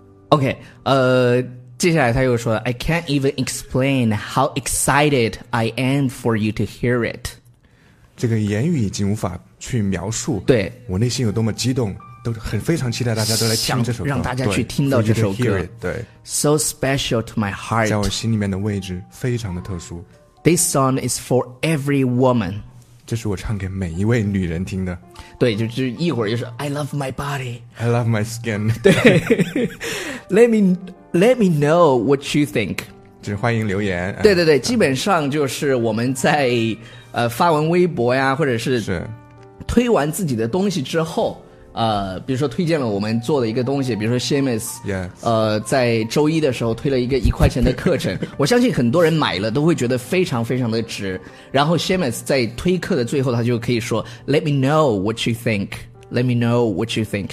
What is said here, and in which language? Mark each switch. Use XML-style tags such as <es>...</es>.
<en>OK，</en> <zh>接下来他又说</zh> <en>，I can't even explain how excited I am for you to hear it。</en> <zh>这个言语已经无法去描述，对我内心有多么激动，都很非常期待大家都来听这首歌，让大家去听到这首歌，</zh> <en>it, 对，so special to my heart，</en> <zh>在我心里面的位置非常的特殊。</zh> <en>This song is for every woman。</en> <zh>这是我唱给每一位女人听的。对，就一会儿就是</zh> <en>I love my body, I love my skin. 对let me know what you think.</en> <zh>就是欢迎留言。对对对，基本上就是我们在发完微博呀，或者是推完自己的东西之后，比如说推荐了我们做的一个东西，比如说 Seamus、</zh> <en>yes.</en> <zh>在周一的时候推了一个1块钱的课程我相信很多人买了都会觉得非常非常的值，然后 Seamus 在推课的最后他就可以说</zh> <en>Let me know what you think</en> <zh>Let me know what you think</zh>